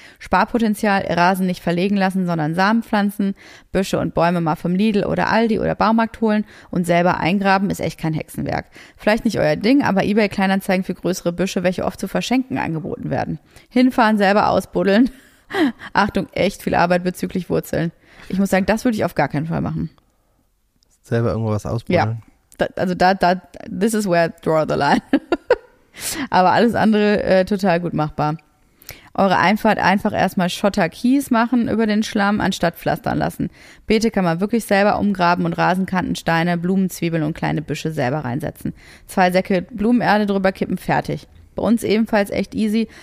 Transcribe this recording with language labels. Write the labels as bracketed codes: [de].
[de] Sparpotenzial, Rasen nicht verlegen lassen, sondern Samen pflanzen, Büsche und Bäume mal vom Lidl oder Aldi oder Baumarkt holen und selber eingraben, ist echt kein Hexenwerk. Vielleicht nicht euer Ding, aber eBay-Kleinanzeigen für größere Büsche, welche oft zu verschenken angeboten werden. Hinfahren, selber ausbuddeln. Achtung, echt viel Arbeit bezüglich Wurzeln. Ich muss sagen, das würde ich auf gar keinen Fall machen. Selber irgendwo was ausbuddeln? Ja. [en] Also this is where I draw the line. [de] Aber alles andere total gut machbar. Eure Einfahrt einfach erstmal Schotter-Kies machen über den Schlamm, anstatt pflastern lassen. Beete kann man wirklich selber umgraben und Rasenkantensteine, Blumenzwiebeln und kleine Büsche selber reinsetzen. Zwei Säcke Blumenerde drüber kippen, fertig. Bei uns ebenfalls echt easy.